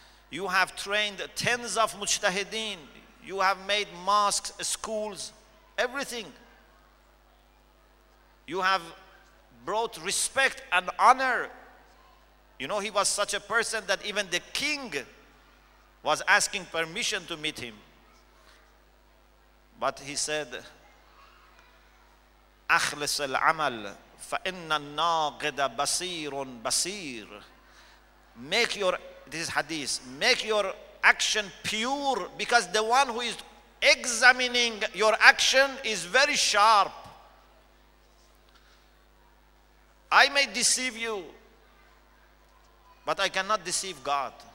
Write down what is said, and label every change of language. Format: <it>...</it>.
<en>You have trained tens of mujtahideen. You have made mosques, schools, everything. You have brought respect and honor." You know, he was such a person that even the king was asking permission to meet him. But he said,</en> <ar>"أخلص العمل فإن الناقد بصير بصير."</ar> <en>Make your, this is hadith, make your action pure, because the one who is examining your action is very sharp. I may deceive you, but I cannot deceive God.</en>